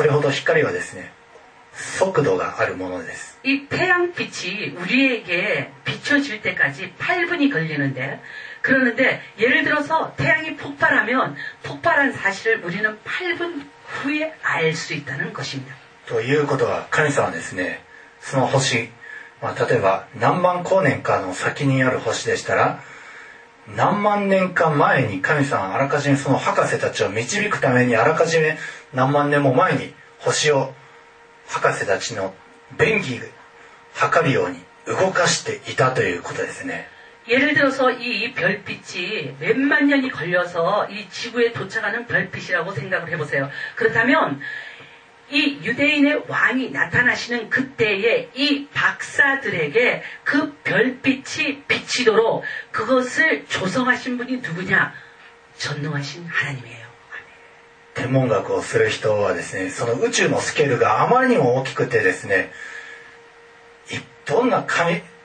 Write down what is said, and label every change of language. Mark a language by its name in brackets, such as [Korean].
[Japanese] 太陽の光でさえ今目にしてるのは8分前の光、8分前の状態で、もし今太陽が爆発していても私たちがそれを知るのは8分後、それほど光はですね、速度があるものです。 [Korean] 이 태양빛이 우리에게 비춰질 때까지 8분이 걸리는데 그러는데 예를 들어서 태양이 폭발하면 폭발한 사실을 우리는 8분 후에 알 수 있다는 것입니다. [Japanese] ということは神様はですね、その星、例えば何万光年かの先にある星でしたら、何万年か前に神様はあらかじめその博士たちを導くために、あらかじめ何万年も前に星を博士たちの便宜測るように動かしていたということですね。 [Korean] 예를 들어서 이 별빛이 몇만 년이 걸려서 이 지구에 도착하는 별빛이라고 생각을 해보세요. 그렇다면 이 유대인의 왕이 나타나시는 그때에 이 박사들에게 그 별빛이 비치도록 그것을 조성하신 분이 누구냐? 전능하신 하나님이에요. [Japanese] 天文学をする人はですね、その宇宙のスケールがあまりにも大きくてですね、どんな神、